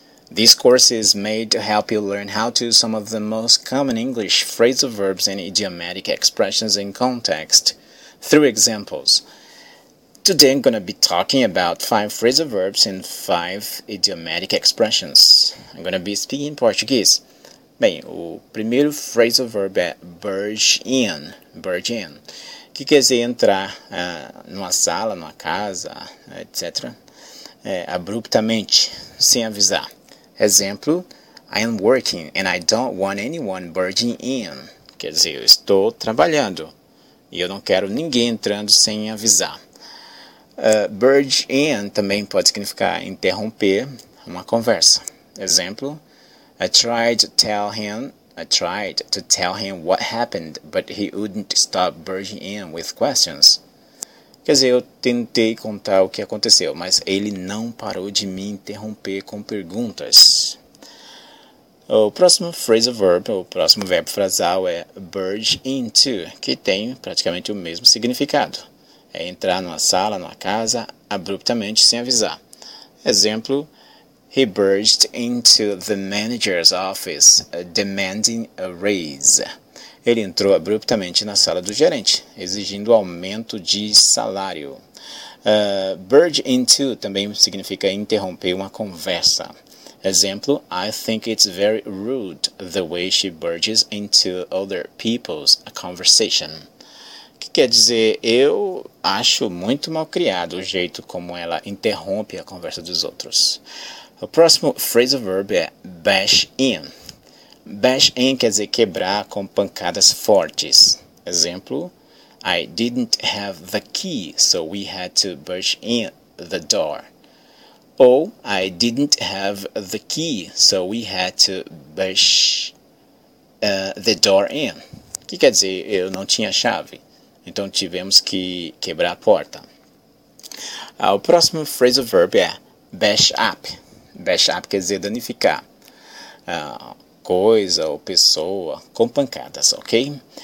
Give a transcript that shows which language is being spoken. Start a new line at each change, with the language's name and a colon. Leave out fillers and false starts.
English: This course is made to help you learn how to use some of the most common English phrasal verbs and idiomatic expressions in context through examples. Today I'm going to be talking about 5 phrasal verbs and 5 idiomatic expressions. I'm going to be speaking Portuguese.
Portuguese: Bem, o primeiro phrasal verb é burge in, que quer dizer entrar numa sala, numa casa, etc., abruptamente, sem avisar.
English: Exemplo, I am working and I don't want anyone burging in.
Portuguese: Quer dizer, eu estou trabalhando e eu não quero ninguém entrando sem avisar. Burge in também pode significar interromper uma conversa.
English: Exemplo,I tried to tell him what happened, but he wouldn't stop barging in with questions.
Portuguese: Quer dizer, eu tentei contar o que aconteceu, mas ele não parou de me interromper com perguntas. O próximo phrasal verb, o próximo verbo frasal é barge into, que tem praticamente o mesmo significado. É entrar numa sala, numa casa, abruptamente, sem avisar.
English: Exemplo,He burged into the manager's office, demanding a raise.
Portuguese: Ele entrou abruptamente na sala do gerente, exigindo aumento de salário. Burge into também significa interromper uma conversa.
English: Exemplo, I think it's very rude the way she burges into other people's conversation.
Portuguese: O que quer dizer? Eu acho muito mal criado o jeito como ela interrompe a conversa dos outros. O próximo phrasal verb é bash in. Bash in quer dizer quebrar com pancadas fortes.
English: Exemplo, I didn't have the key, so we had to bash in the door. Ou, I didn't have the key, so we had to bash the door in.
Portuguese: Que quer dizer, eu não tinha chave, então tivemos que quebrar a porta. O próximo phrasal verb é bash up. Bash up quer dizer danificar coisa ou pessoa com pancadas, ok?